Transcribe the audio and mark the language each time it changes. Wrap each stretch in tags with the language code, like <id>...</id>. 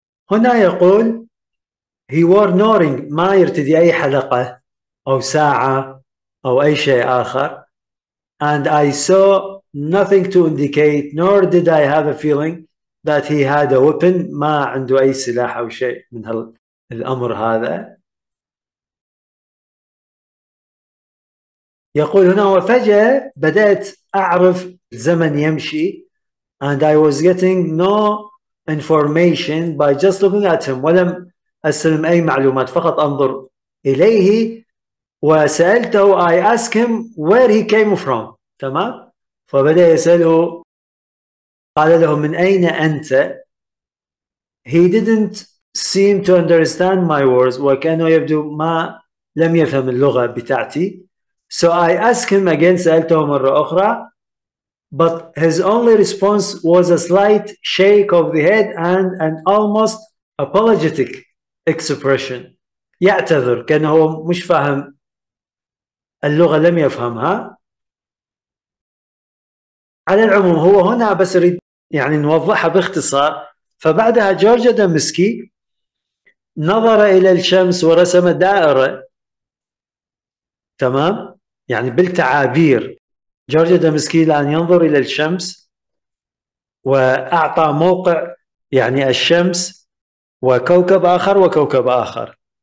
<ar>هنا يقول</ar> <en>he wore no ring،</en> <ar>ما يرتدي أي حلقة أو ساعة أو أي شيء آخر.</ar> <en>And I saw nothing to indicate nor did I have a feeling that he had a weapon،</en> <ar>ما عنده أي سلاح أو شيء من الأمر هذا. يقول هنا وفجأة بدأت أعرف الزمن يمشي.</ar> <en>And I was getting no information by just looking at him،</en> <ar>ولم أسلم أي معلومات، فقط أنظر إليه. وسألته،</ar> <en>I asked him where he came from،</en> <ar>تمام؟ فبدأ يسأله، قال له من أين أنت؟</ar> <en>He didn't seem to understand my words،</en> <ar>وكأنه يبدو ما لم يفهم اللغة بتاعتي.</ar> <en>So I asked him again،</en> <ar>سألته مرة أخرى.</ar> <en>But his only response was a slight shake of the head and an almost apologetic expression.</en> <ar>يعتذر، كأنه هو مش فاهم اللغة، لم يفهمها. على العموم هو هنا بس أريد يعني نوضحها باختصار. فبعدها جورج أدمسكي نظر إلى الشمس ورسم دائرة، تمام؟ يعني بالتعابير جورج أدمسكي الآن ينظر إلى الشمس وأعطى موقع، يعني الشمس وكوكب آخر وكوكب آخر،</ar>